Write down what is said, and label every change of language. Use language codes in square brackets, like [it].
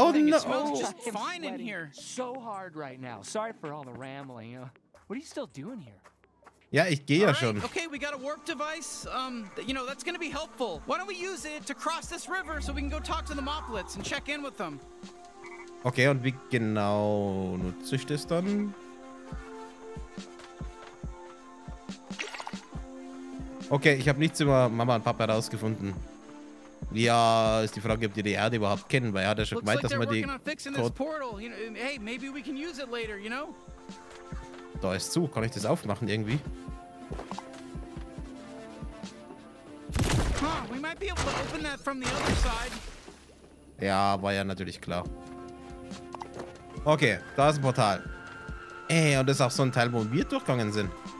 [en] Oh, no. It smells just fine in here. So hard right now. Sorry for all the rambling, you know? What are you still doing here? [de] Yeah, ich gehe ja schon. [en] Okay, we got a warp device. You know, that's gonna be helpful. Why don't we use it to cross this river so we can go talk to the Moplets and check in with them? [de] Okay, und wie genau nutze ich das dann? Okay, ich habe nichts über Mama und Papa herausgefunden. Ja, ist die Frage, ob die die Erde überhaupt kennen, weil er hat ja schon gemeint, dass man die. [en] Hey, maybe we can use it later, you know? [de] Da ist zu. Kann ich das aufmachen irgendwie? [en] Huh, we might be able to open that from the other side. [de] Ja, war ja natürlich klar. Okay, da ist ein Portal. Ey, und das ist auch so ein Teil, wo wir durchgegangen sind.